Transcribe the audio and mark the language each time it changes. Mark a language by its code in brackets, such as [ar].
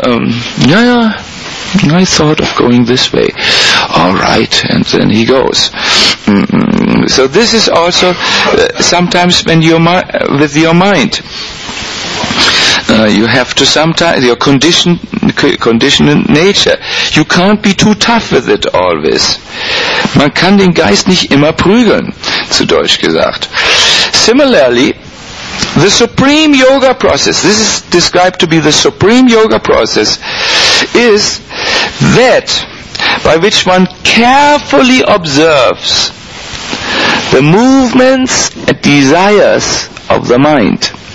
[en] I thought of going this way. All right, and then he goes. So this is also sometimes when you're with your mind. You have to sometimes, your conditioned nature. You can't be too tough with it always. [de] Man kann den Geist nicht immer prügeln, zu Deutsch gesagt. [en] Similarly, the supreme yoga process, this is described to be the supreme yoga process, is that by which one carefully observes the movements and desires of the mind.